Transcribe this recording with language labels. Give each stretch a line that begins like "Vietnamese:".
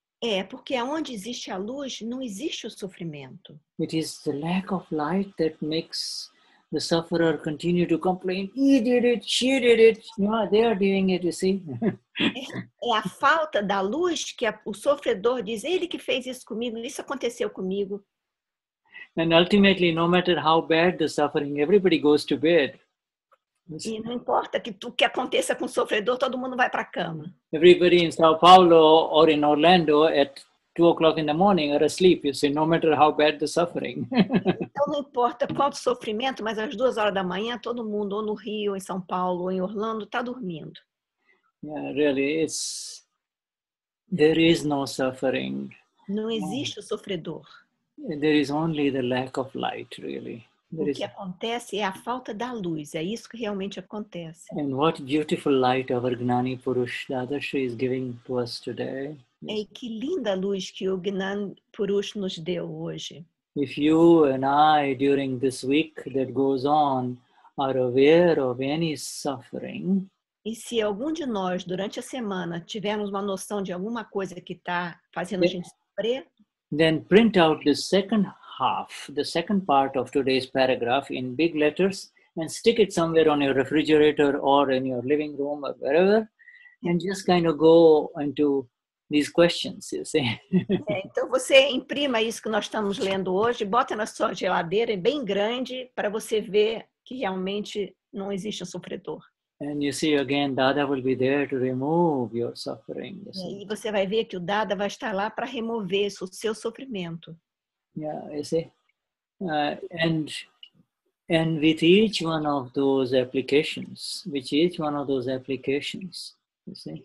Portuguese: É, porque onde existe a luz, não existe o sofrimento.
English: It is the lack of light that makes the sufferer continue to complain, he did it, she did it, you know, they are doing it, you see.
Portuguese: É a falta da luz que o sofredor diz, ele que fez isso comigo, isso aconteceu comigo.
English: And ultimately, no matter how bad the suffering, everybody goes to bed.
Portuguese: E não importa que o que aconteça com o sofredor, todo mundo vai para a cama.
English: Everybody in São Paulo or in Orlando at 2 o'clock in the morning or asleep, you see, no matter how bad the suffering.
Portuguese: Então não importa qual o sofrimento, mas às 2 horas da manhã, todo mundo, ou no Rio, ou em São Paulo, ou em Orlando, está dormindo.
English: Yeah, really, there is no suffering.
Portuguese: Não existe o sofredor.
English: There is only the lack of light, really.
Portuguese: O que acontece é a falta da luz, é isso que realmente acontece.
English: And what beautiful light our Gnani Purush Dadashi is giving to us today.
Portuguese: E que linda luz que o Gnani Purush nos deu hoje.
English: If you and I, during this week that goes on, are aware of any suffering.
Portuguese: E se algum de nós, durante a semana, tivermos uma noção de alguma coisa que está fazendo a gente sofrer.
English: Then print out the second half, the second part of today's paragraph in big letters and stick it somewhere on your refrigerator or in your living room or wherever and just kind of go into these questions, you see.
Portuguese: Então você imprima isso que nós estamos lendo hoje, bota na sua geladeira bem grande para você ver que realmente não existe um sofredor.
English: And you see again, Dada will be there to remove your suffering.
Portuguese: E aí você vai ver que o Dada vai estar lá para remover o seu sofrimento.
English: Yeah, you see, and with each one of those applications, you see,